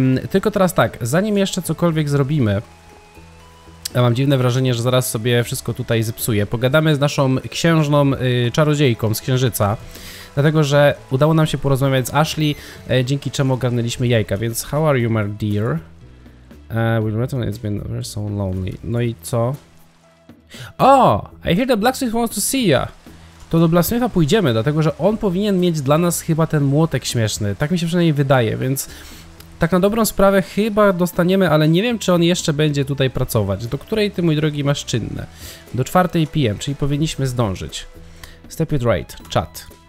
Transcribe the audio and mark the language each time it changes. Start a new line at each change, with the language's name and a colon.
Polish: Tylko teraz tak, zanim jeszcze cokolwiek zrobimy, ja mam dziwne wrażenie, że zaraz sobie wszystko tutaj zepsuję, pogadamy z naszą księżną czarodziejką z Księżyca, dlatego że udało nam się porozmawiać z Ashley, dzięki czemu ogarnęliśmy jajka, więc
English: how are you, my dear? We'll return, it's been ever so lonely.
Polish: No i co? O!
English: I hear the blacksmith wants to see ya!
Polish: To do blacksmitha pójdziemy, dlatego że on powinien mieć dla nas chyba ten młotek śmieszny. Tak mi się przynajmniej wydaje, więc tak na dobrą sprawę chyba dostaniemy, ale nie wiem, czy on jeszcze będzie tutaj pracować. Do której ty, mój drogi, masz czynne? Do 4 p.m., czyli powinniśmy zdążyć.
English: Step it right, chat.